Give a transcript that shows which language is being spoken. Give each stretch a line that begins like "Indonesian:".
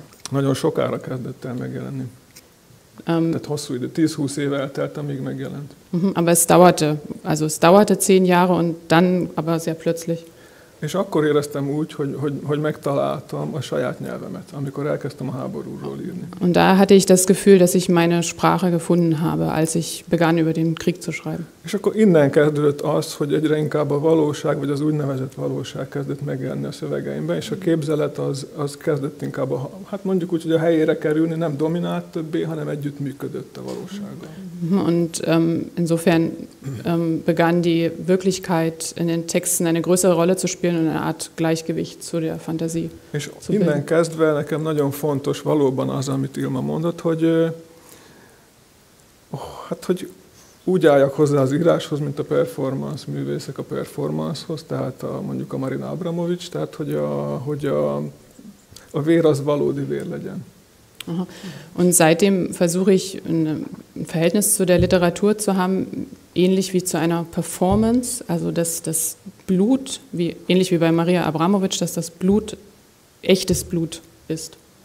Hungarian: Nagyon sokára kezdett el megjelenni. Tehát hosszú idő, 10-20 éve eltelt, amíg megjelent.
German: Aber es dauerte, also es dauerte 10 Jahre und dann aber sehr plötzlich.
Hungarian: És akkor éreztem úgy, hogy megtaláltam a saját nyelvemet, amikor elkezdtem a háborúról írni.
German: Und da hatte ich das Gefühl, dass ich meine Sprache gefunden habe, als ich begann über den Krieg zu schreiben.
Hungarian: És akkor innen kezdődött az, hogy egyre inkább a valóság, vagy az úgynevezett valóság kezdett megjelenni a szövegeimben, és a képzelet az kezdett inkább, hát mondjuk úgy, hogy a helyére kerülni nem dominált többé, hanem együtt működött a valósággal.
German: Und insofern begann die Wirklichkeit in den Texten eine größere Rolle zu spielen und eine Art Gleichgewicht zu der Fantasie.
Hungarian: És innen kezdve nekem nagyon fontos valóban az, amit Ilma mondott, hogy hogy úgy álljak hozzá az íráshoz, mint a performance művészek a performancehoz, tehát mondjuk a Marina Abramović, tehát hogy a vér az valódi vér legyen.
German: Aha. Und seitdem versuche ich ein Verhältnis zu der Literatur zu haben, ähnlich wie zu einer Performance, also dass das Blut, ähnlich wie bei Maria Abramović, dass das Blut echtes Blut ist.